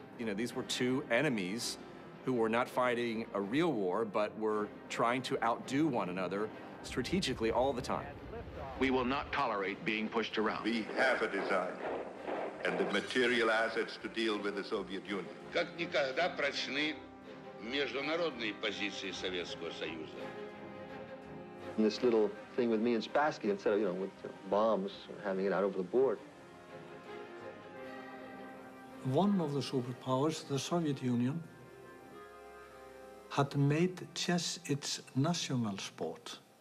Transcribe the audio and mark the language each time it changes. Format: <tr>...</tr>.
<en>You know, these were two enemies who were not fighting a real war, but were trying to outdo one another strategically all the time. We will not tolerate being pushed around. We have a design and the material assets to deal with the Soviet Union.</en> <ru>Как никогда прочны международные позиции Советского Союза.</ru> <en>And this little thing with me and Spassky, instead of, you know, with bombs, having it out over the board. One of the superpowers, the Soviet Union, had made chess its national sport.</en>